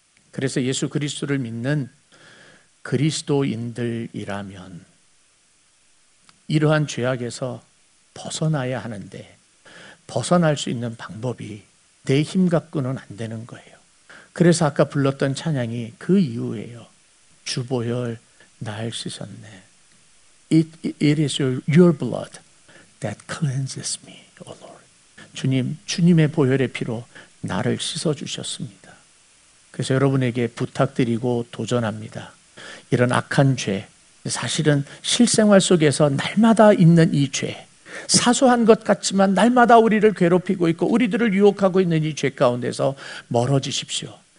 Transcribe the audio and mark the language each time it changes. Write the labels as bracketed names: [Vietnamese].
[Korean] 그래서 예수 그리스도를 믿는 그리스도인들이라면 이러한 죄악에서 벗어나야 하는데, 벗어날 수 있는 방법이 내 힘 갖고는 안 되는 거예요. 그래서 아까 불렀던 찬양이 그 이유예요. 주보혈 날 씻었네. [English] It is your blood that cleanses me, O Lord. [Korean] 주님의 보혈의 피로 나를 씻어주셨습니다. 그래서 여러분에게 부탁드리고 도전합니다. 이런 악한 죄, 사실은 실생활 속에서 날마다 있는 이 죄, 사소한 것 같지만 날마다 우리를 괴롭히고 있고 우리들을 유혹하고 있는 이 죄 가운데서 멀어지십시오.